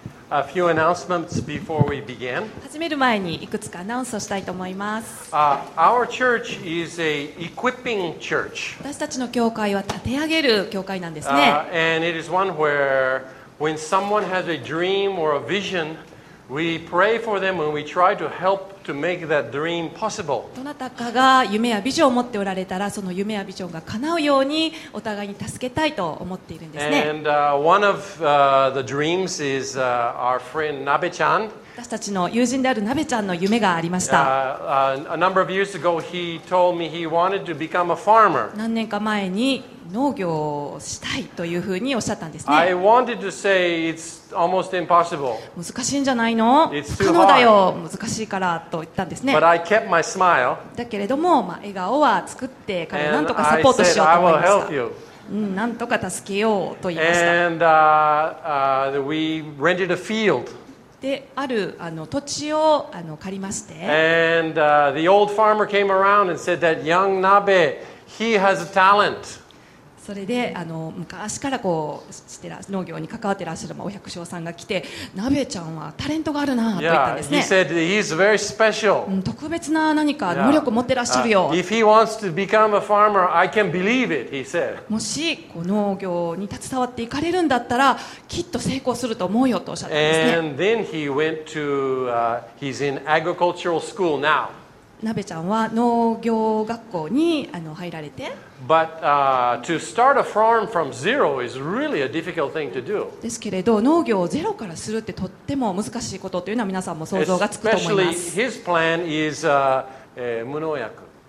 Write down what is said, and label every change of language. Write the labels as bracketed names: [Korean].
[English] A few announcements before we begin. [Japanese] 始める前にいくつかアナウンスをしたいと思います。 [English] Our church is a equipping church. [Japanese] 私たちの教会は立て上げる教会なんですね。 [English] And it is one where when someone has a dream or a vision, we pray for them and we try to help to make that dream possible. [Japanese] どなたかが夢やビジョンを持っておられたら、その夢やビジョンが叶うようにお互いに助けたいと思っているんですね。 [English] And one of the dreams is our friend Nabe-chan. [Japanese] 私たちの友人である Nabe-chan の夢がありました。 [English] A number of years ago, he told me he wanted to become a farmer. [Japanese] 何年か前に農業をしたいというふうにおっしゃったんですね。 [English] I wanted to say it's almost impossible. [Japanese] 難しいんじゃないの、 [English] it's、 [Japanese] 不可能だよ、難しいからと言ったんですね。 [English] But I kept my smile. [Japanese] だけれども、まあ、笑顔は作って彼をなんとかサポートしようと思いました。なんとか助けようと言いました。 [English] And we rented a field. [Japanese] で、ある土地を借りまして、 [English] And the old farmer came around and said that young Nabe, he has a talent. [Japanese] それで昔からこうしてら農業に関わってらっしゃるお百姓さんが来て、ナベちゃんはタレントがあるなと言ったんですね。 [English] Yeah, he said he's very special. [Japanese] 特別な何か能力を持ってらっしゃるよ。 [English] If he wants to become a farmer, I can believe it, he said. [Japanese] もしこう農業に携わっていかれるんだったら、きっと成功すると思うよとおっしゃったんですね。 [English] And then he went to, he's in agricultural school now. [Japanese] ナベちゃんは農業学校に入られて、 [English] But, to start a farm from zero is really a difficult thing to do. [Japanese] ですけれど、農業をゼロからするってとっても難しいことというのは皆さんも想像がつくと思います。 [English] Especially his plan is, 無農薬。